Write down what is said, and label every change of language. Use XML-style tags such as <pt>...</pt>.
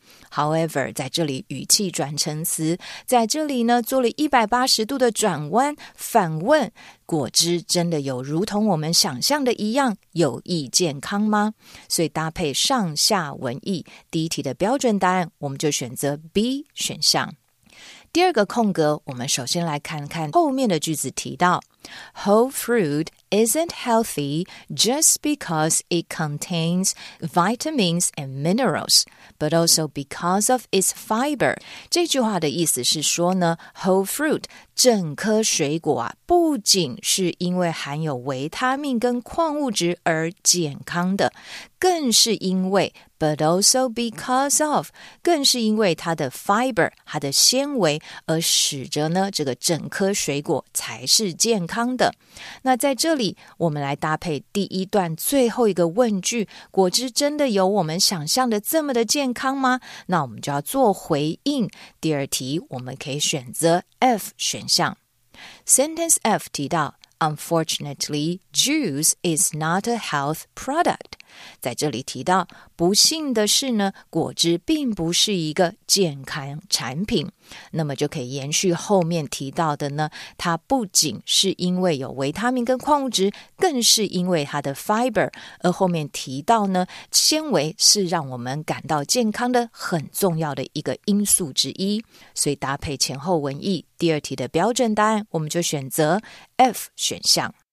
<zh>however 在这里语气转成词，在这里呢做了180度的转弯，反问果汁真的有如同我们想象的一样有益健康吗？所以搭配上下文意，第一题的标准答案我们就选择 B 选项。第二个空格，我们首先来看看后面的句子提到</zh> <en>Whole fruit isn't healthy just because it contains vitamins and minerals, but also because of its fiber.</en> <zh>这句话的意思是说呢 Whole fruit, 整颗水果啊，不仅是因为含有维他命跟矿物质而健康的，更是因为</zh> <en>But also because of,</en> <zh>更是因为它的 fiber, 它的纤维而使着呢这个整颗水果才是健康的。那在这里我们来搭配第一段最后一个问句，果汁真的有我们想象的这么的健康吗？那我们就要做回应。第二题我们可以选择 F 选项。</zh> <en>Sentence F</en> <zh>提到</zh> <en>Unfortunately, juice is not a health product.</en> <zh>在这里提到，不幸的是呢，果汁并不是一个健康产品，那么就可以延续后面提到的呢，它不仅是因为有维他命跟矿物质，更是因为它的 fiber， 而后面提到呢，纤维是让我们感到健康的很重要的一个因素之一，所以搭配前后文意，第二题的标准答案我们就选择 F 选项。</zh>